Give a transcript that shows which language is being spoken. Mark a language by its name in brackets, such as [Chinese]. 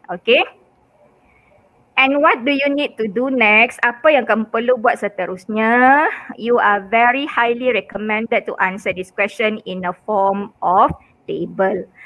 [English] Okay, and what do you need to do next? [Malay] Apa yang kamu perlu buat seterusnya? [English] You are very highly recommended to answer this question in a form of table.